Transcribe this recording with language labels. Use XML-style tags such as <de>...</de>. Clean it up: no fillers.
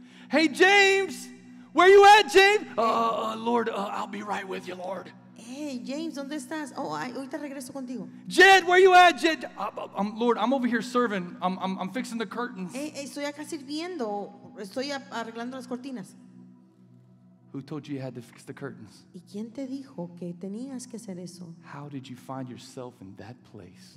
<en>Hey James, where you at, James? Lord, I'll be right with you, Lord.</en> <es>Hey James, ¿dónde estás? Oh, ahorita regreso contigo.</es> <en>Jed, where you at, Jed? Lord, I'm over here serving. I'm fixing the curtains.</en> <es>Hey, estoy acá sirviendo. Estoy arreglando las cortinas.</es> <en>Who told you you had to fix the curtains?</en> <es>¿Y quién te dijo que tenías que hacer eso?</es> <en>How did you find yourself in that place?</en>